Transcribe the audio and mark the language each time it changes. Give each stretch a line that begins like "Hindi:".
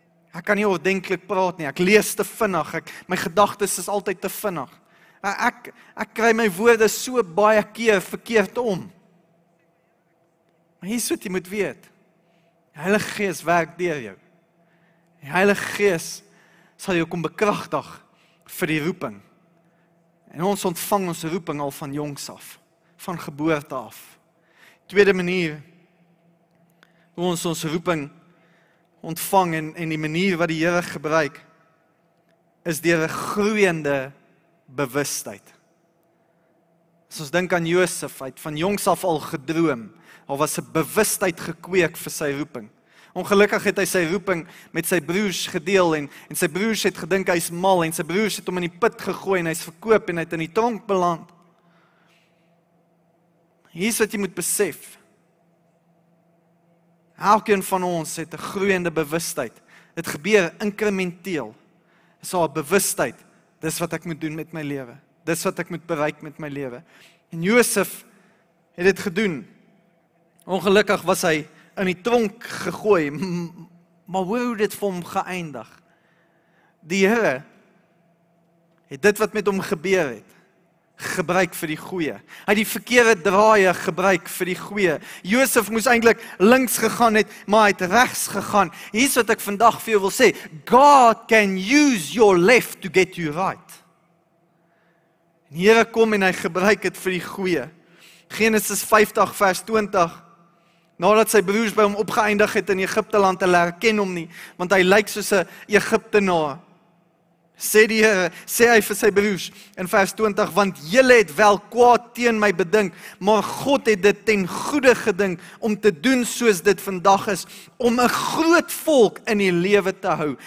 Afrikaans: Ek kan nie ordentlik praat nie, ek lees te vinnig, my gedagtes is altyd te vinnig. Ek kry my woorde so baie keer verkeerd om. Maar hier is wat jy moet weet, die Heilige Gees werk deur jou. Die Heilige Gees sal jou kom bekragtig vir die roeping. En ons ontvang ons roeping al van jongs af, van geboorte af. Tweede manier, hoe ons roeping ontvang en die manier wat die Here gebruik, is deur 'n groeiende bewustheid. As ons dink aan Josef, hy het van jongs af al gedroom, al was 'n bewustheid gekweek vir sy roeping. Ongelukkig het hy sy roeping met sy broers gedeel, en sy broers het gedink hy is mal, en sy broers het hom in die put gegooi, en hy is verkoop, en hy het in die tronk beland. Hier is wat jy moet besef, elkeen van ons het 'n groeiende bewustheid. Dit gebeur inkrementeel. Dis al 'n bewustheid. Dis wat ek moet doen met my lewe. Dis wat ek moet bereik met my lewe. En Josef het dit gedoen. Ongelukkig was hy in die tronk gegooi. Maar hoe het dit vir hom geëindig? Die Here het dit wat met hom gebeur het, gebruik vir die goeie. Hy die verkeerde draaie gebruik vir die goeie. Josef moes eintlik links gegaan het, maar hy het regs gegaan. Hier is wat ek vandag vir jou wil sê.
English: God can use your left to get you right.
Afrikaans: En die Here kom en hy gebruik dit vir die goeie. Genesis 50 vers 20. Nadat sy broers by hom opgeëindig het in Egipte land, hulle herken hom nie, want hy lyk soos 'n Egiptenaar. sê die Here, sê hy vir sy broers in vers 20, want julle het wel kwaad teen my bedink, maar God het dit ten goede gedink om te doen soos dit vandag is, om 'n groot volk in die lewe te hou.